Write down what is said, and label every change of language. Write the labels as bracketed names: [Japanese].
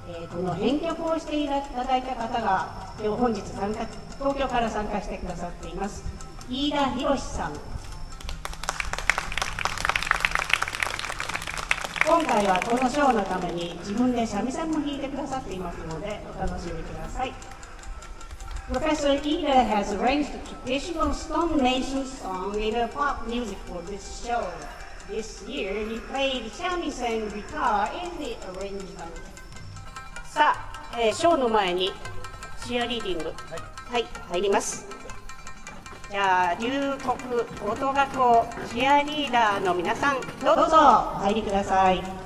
[Japanese] この編曲をしていただいた方が今日本日参加、東京から参加してくださっています、飯田博さん。今回はこのショーのために自分で三味線も弾いてくださっていますので、お楽しみください。 [English] Professor Ida has arranged a traditional Stone Nation song in a pop music for this show. This year, he played 三味線 guitar in the arrangement. [Japanese] さあ、ショーの前にチアリーディング、はい、はい、入ります。じゃあ龍谷高等学校チアリーダーの皆さん、どうぞお入りください。